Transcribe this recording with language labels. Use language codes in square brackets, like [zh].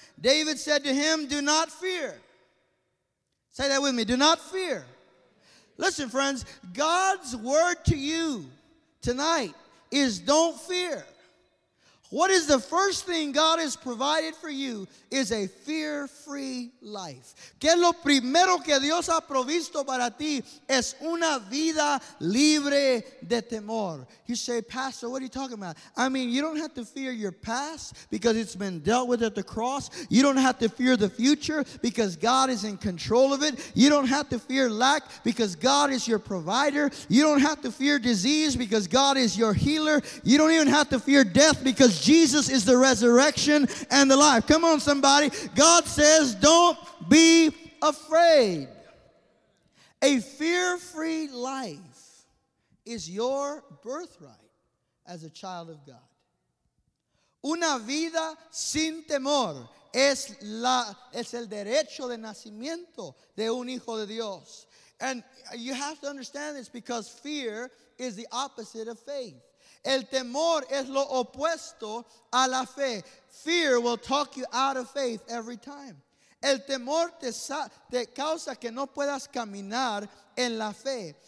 [en] David said to him, do not fear. Say that with me. Do not fear. Listen, friends, God's word to you tonight is don't fear. What is the first thing God has provided for you is a fear-free life. [es] Que lo primero que Dios ha provisto para ti es una vida libre de temor. [en] You say, Pastor, what are you talking about? I mean, you don't have to fear your past because it's been dealt with at the cross. You don't have to fear the future because God is in control of it. You don't have to fear lack because God is your provider. You don't have to fear disease because God is your healer. You don't even have to fear death because Jesus is the resurrection and the life. Come on, somebody. God says, don't be afraid. A fear-free life is your birthright as a child of God. [es] Una vida sin temor es el derecho de nacimiento de un hijo de Dios. [en] And you have to understand this because fear is the opposite of faith. [es] El temor es lo opuesto a la fe. [en] Fear will talk you out of faith every time. [es] El temor te causa que no puedas caminar en la fe.